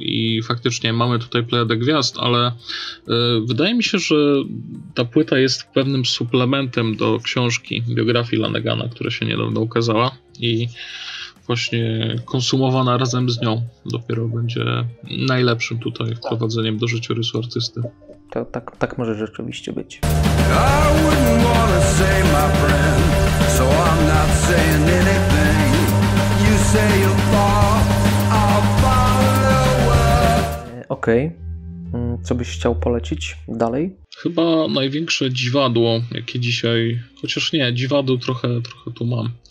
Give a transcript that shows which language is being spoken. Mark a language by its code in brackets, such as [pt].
[pl] I faktycznie mamy tutaj plejadę gwiazd, ale wydaje mi się, że ta płyta jest pewnym suplementem do książki, biografii Lanegana, która się niedawno ukazała. I właśnie konsumowana razem z nią dopiero będzie najlepszym tutaj wprowadzeniem do życiorysu artysty. Tak może rzeczywiście być. [en] I wouldn't wanna say my friend, so I'm not saying anything. You say you'll fall, I'll follow up. [pl] Okej. Co byś chciał polecić dalej? Chyba największe dziwadło, jakie dzisiaj... Chociaż nie, dziwadło trochę tu mam.